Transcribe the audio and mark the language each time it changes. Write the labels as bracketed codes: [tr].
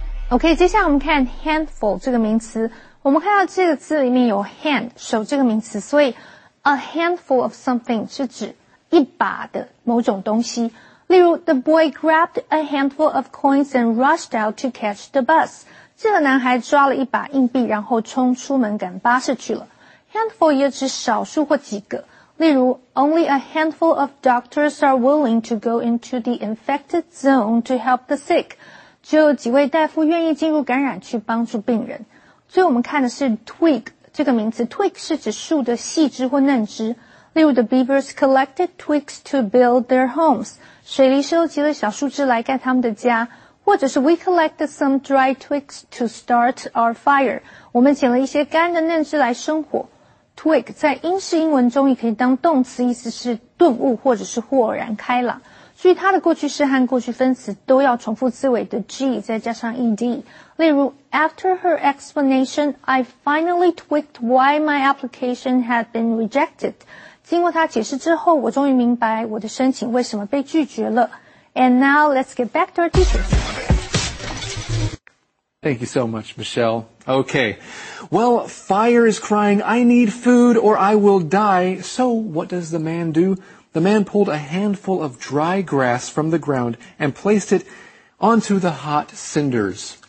[zh] OK, 接下来我们看 handful 这个名词。我们看到这个字里面有 hand, 手这个名词。所以 [en] a handful of something [zh] 是指一把的某种东西。例如 [en] the boy grabbed a handful of coins and rushed out to catch the bus. [zh] 这个男孩抓了一把硬币然后冲出门赶巴士去了。 handful 也指少数或几个。例如 [en] only a handful of doctors are willing to go into the infected zone to help the sick. [zh] 只有几位大夫愿意进入感染区帮助病人。最后我们看的是 twig 这个名词。twig 是指树的细枝或嫩枝。例如 [en] the beavers collected twigs to build their homes. [zh] 水狸收集了小树枝来盖他们的家。或者是 [en] we collected some dry twigs to start our fire. [zh] 我们捡了一些干的嫩枝来生火。twig 在英式英文中也可以当动词，意思是顿悟或者是豁然开朗。所以它的过去式和过去分词都要重复字尾的 G 再加上 ED。例如 [en] After her explanation, I finally twigged why my application had been rejected. [zh] 经过她解释之后我终于明白我的申请为什么被拒绝了。 [en] And now let's get back to our teachers. Thank you so much, Michelle. Okay. Well, fire is crying, I need food or I will die. So what does the man do? The man pulled a handful of dry grass from the ground and placed it onto the hot cinders.